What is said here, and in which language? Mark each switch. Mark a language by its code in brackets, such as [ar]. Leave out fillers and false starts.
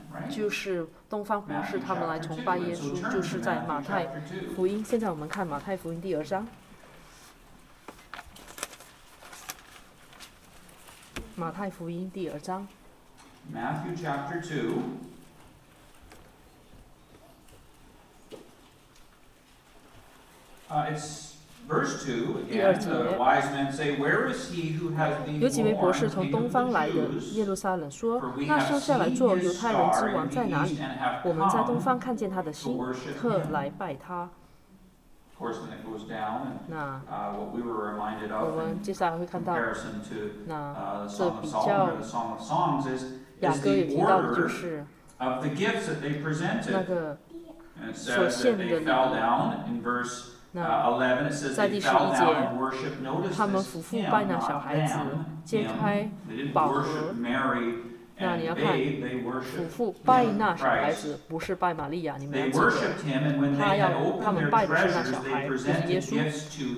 [zh] 就是东方博士他们来崇拜耶稣，就是在马太福音。现在我们看马太福音第二章，马太福音第二章 [en] Matthew chapter 2 it's Verse 2, again, the wise men say, Where is he who has been born, king of the Jews? For we have seen his star in the east and have come to worship him. Of course, when it goes down, what we were reminded of in comparison to the Song of Solomon or the Song of Songs is the order of the gifts that they presented. And it says that they fell down in verse 2. [zh] 在第十一节，他们俯伏拜那小孩子，揭开宝盒。那你要看，俯伏拜那小孩子，不是拜玛利亚。你们要记得，他们拜的是那小孩，就是耶稣。